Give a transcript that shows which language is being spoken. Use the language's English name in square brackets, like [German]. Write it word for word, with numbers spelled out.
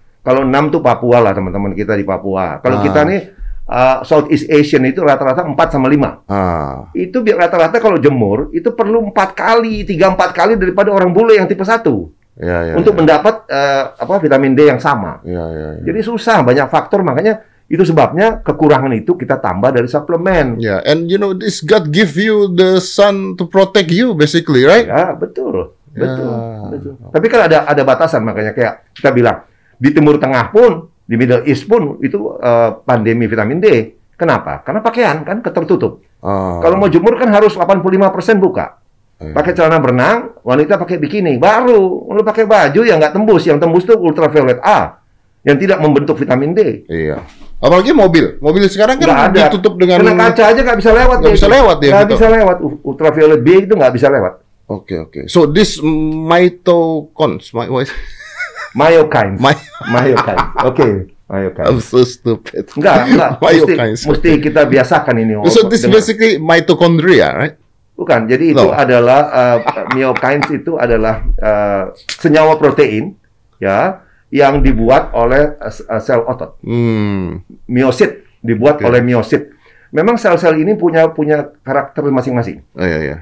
[Indonesian] Kalau enam tuh Papua lah, teman-teman kita di Papua. Kalau ah. kita nih, uh, [English] Southeast Asian [Indonesian] itu rata-rata empat sama lima. Ah. Itu rata-rata kalau jemur, itu perlu empat kali, tiga sampai empat kali daripada orang bule yang tipe satu. Ya, ya, untuk ya. mendapat uh, apa vitamin D yang sama. Ya, ya, ya. Jadi susah, banyak faktor, makanya itu sebabnya kekurangan itu kita tambah dari suplemen. [English] Yeah, and you know this God give you the sun to protect you basically, right? [Indonesian] Ya, betul. Betul. Ya. betul. Tapi kan ada ada batasan, makanya kayak kita bilang di Timur Tengah pun, di Middle East pun itu uh, pandemi vitamin D. Kenapa? Karena pakaian kan ketertutup. Oh. Kalau mau jemur kan harus delapan puluh lima persen buka. Eh. Pakai celana berenang, wanita pakai bikini. Baru lu pakai baju yang nggak tembus, yang tembus tuh ultraviolet A yang tidak membentuk vitamin D. Iya. Apalagi mobil, mobil sekarang kan ada. Ditutup dengan kena kaca aja nggak bisa lewat. Nggak bisa lewat ya. Nggak bisa lewat. Ultraviolet B itu nggak bisa lewat. [English] Oke okay, oke. Okay. So this mitokons, my voice. Myokines. My- Myokines. Oke. Okay. Myokines. I'm so stupid. [Indonesian] Enggak, enggak. Myokines. Mesti, mesti kita biasakan ini. [English] So this dengan. Basically mitochondria, right? [Indonesian] Bukan. Jadi no. itu adalah uh, myokines itu adalah uh, senyawa protein ya yang dibuat oleh uh, sel otot. Hmm. Miosit dibuat okay. oleh miosit. Memang sel-sel ini punya punya karakter masing-masing. Oh, iya, iya.